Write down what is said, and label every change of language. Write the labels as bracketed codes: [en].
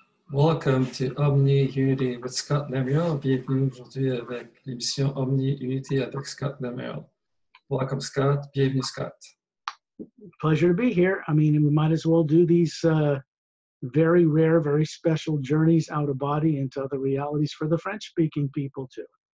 [en] Welcome to Omni Unity with Scott Lemriel. [fr] Bienvenue aujourd'hui avec l'émission Omni Unity avec Scott Lemriel. [en] Welcome, Scott. [fr] Bienvenue, Scott. [en] Pleasure to be here. I mean, we might as well do these very rare, very special journeys out of body into other realities for the French-speaking people, too.